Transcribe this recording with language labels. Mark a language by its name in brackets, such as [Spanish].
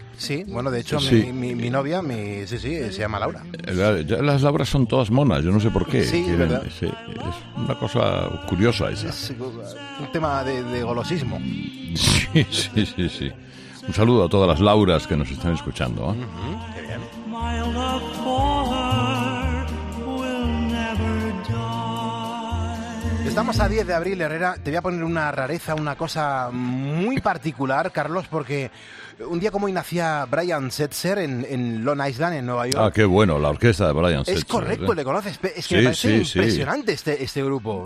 [Spanish] Sí, bueno, de hecho, sí. mi novia, se llama Laura. Las Lauras son todas monas, yo no sé por qué. Sí, es verdad. Sí, es una cosa curiosa esa. Es un tema de golosismo. Sí. Un saludo a todas las Lauras que nos están escuchando, ¿eh? Qué bien. [English] My love for her will never die. [Spanish] Estamos a 10 de abril, Herrera. Te voy a poner una rareza, una cosa muy particular, Carlos, porque un día como hoy nacía Brian Setzer en Long Island, en Nueva York. Ah, qué bueno, la orquesta de Brian Setzer. Es correcto, ¿eh? Le conoces. Es que sí, me parece impresionante este grupo.